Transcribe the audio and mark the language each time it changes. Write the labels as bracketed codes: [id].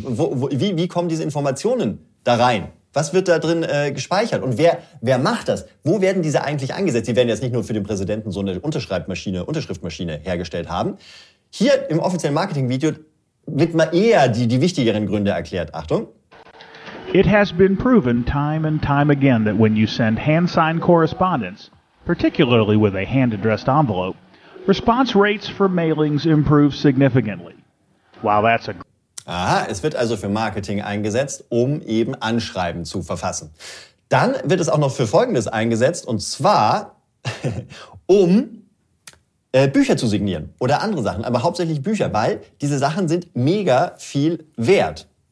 [de] Wie kommen diese Informationen da rein? Was wird da drin gespeichert? Und wer macht das? Wo werden diese eigentlich eingesetzt? Die werden jetzt nicht nur für den Präsidenten so eine Unterschriftmaschine hergestellt haben. Hier im offiziellen Marketingvideo wird mal eher die wichtigeren Gründe erklärt. Achtung. [en] It has been proven time and time again that when you send hand-signed correspondence, particularly with a hand-addressed envelope, response rates for mailings improve significantly. While that's a [de] Es wird also für Marketing eingesetzt, um eben Anschreiben zu verfassen. Dann wird es auch noch für Folgendes eingesetzt, und zwar um Bücher zu signieren oder andere Sachen, aber hauptsächlich Bücher, weil diese Sachen sind mega viel wert.